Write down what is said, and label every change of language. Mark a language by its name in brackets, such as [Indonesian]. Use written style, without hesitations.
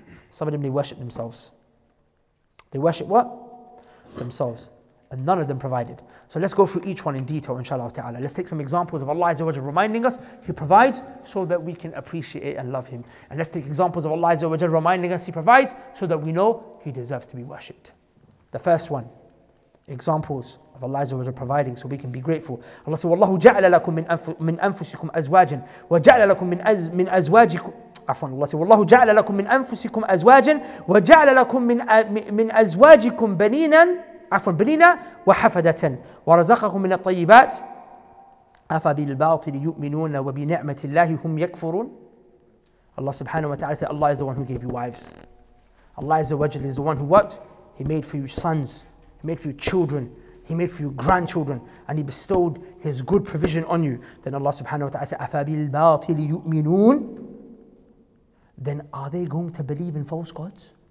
[English] Some of them, they worship themselves. They worship what? Themselves. And none of them provided. So let's go through each one in detail, inshallah ta'ala. Let's take some examples of Allah Azza wa Jalla reminding us He provides, so that we can appreciate it and love Him. And let's take examples of Allah Azza wa Jalla reminding us He provides, so that we know He deserves to be worshipped. The first one, examples of Allah Azza wa Jalla providing so we can be grateful. Allah says, [Arabic] وَاللَّهُ جَعْلَ لَكُمْ مِنْ أَنفُسِكُمْ أَزْوَاجًا وَجَعْلَ لَكُمْ مِنْ أَزْوَاجِكُمْ عفوا الله سبحانه والله جعل لكم من أنفسكم أزواجا وجعل لكم من أزواجكم بنينا عفوا بنينا وحفدة ورزقكم من الطيبات أفبالباطل يؤمنون وبنعمة الله هم يكفرون. [English] الله سبحانه وتعالى said, Allah is the one who gave you wives. Allah is the one who what? He made for you sons, He made for you children, He made for you grandchildren, and He bestowed His good provision on you. Then Allah subhanahu wa ta'ala said, [Arabic] أفبالباطل يؤمنون. [English] Then are they going to believe in false gods?